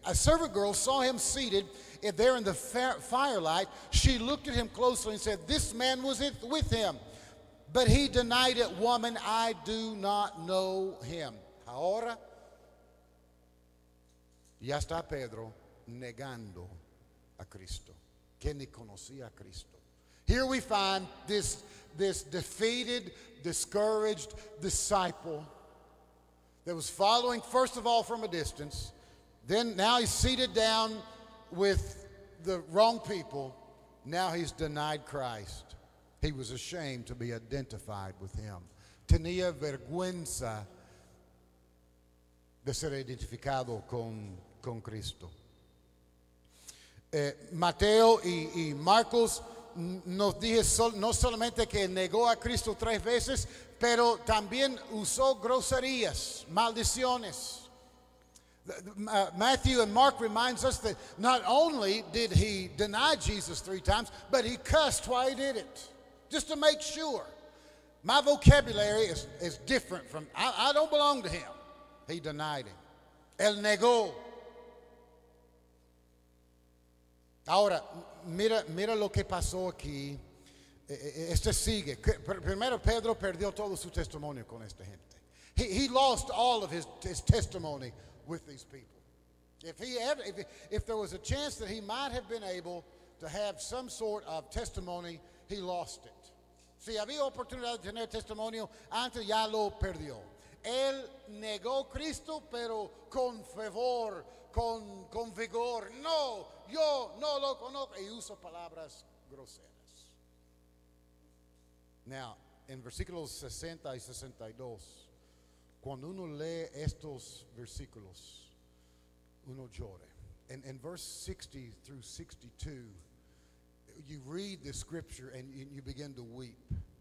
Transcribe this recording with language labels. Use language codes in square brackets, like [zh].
[en] A servant girl saw him seated there in the firelight. She looked at him closely and said, this man was with him. But he denied it, woman, I do not know him. [es] Ahora, ya está Pedro negando a Cristo, que ni conocía a Cristo. [en] Here we find this defeated, discouraged disciple that was following, first of all, from a distance. Then now he's seated down with the wrong people. Now he's denied Christ. He was ashamed to be identified with him. [es] Tenía vergüenza de ser identificado con Cristo. Mateo y Marcos nos dice no solamente que negó a Cristo tres veces, pero también usó groserías, maldiciones. [en] Matthew and Mark reminds us that not only did he deny Jesus three times, but he cussed while he did it, just to make sure. My vocabulary is different from, I don't belong to him. He denied him. [es] Él negó. Ahora, mira lo que pasó aquí. Este sigue. Primero, Pedro perdió todo su testimonio con esta gente. [en] He lost all of his testimony with these people. If there was a chance that he might have been able to have some sort of testimony, he lost it. [es] Si había oportunidad de tener testimonio, antes ya lo perdió. Él negó Cristo, pero con fervor, con vigor. No, yo no lo conozco. Y uso palabras groseras. Now, en versículos 60 y 62, cuando uno lee estos versículos, uno llora. [en] In verse 60 through 62, you read the scripture and you begin to weep.